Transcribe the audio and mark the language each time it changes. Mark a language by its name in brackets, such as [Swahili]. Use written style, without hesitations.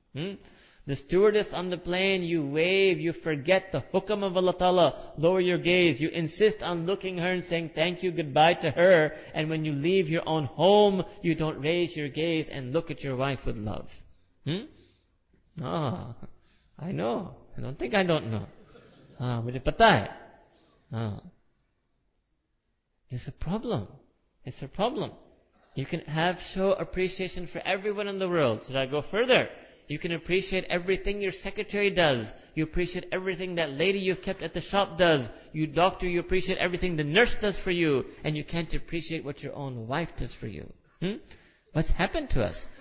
[English] The stewardess on the plane, you wave, you forget the hukam of Allah Ta'ala, lower your gaze, you insist on looking her and saying thank you, goodbye to her, and when you leave your own home, you don't raise your gaze and look at your wife with love. I know. I don't think I don't know. [Urdu] مجھے پتا ہے۔ [English] It's a problem. You can have show appreciation for everyone in the world. Should I go further? You can appreciate everything your secretary does. You appreciate everything that lady you've kept at the shop does. You doctor, you appreciate everything the nurse does for you. And you can't appreciate what your own wife does for you. What's happened to us?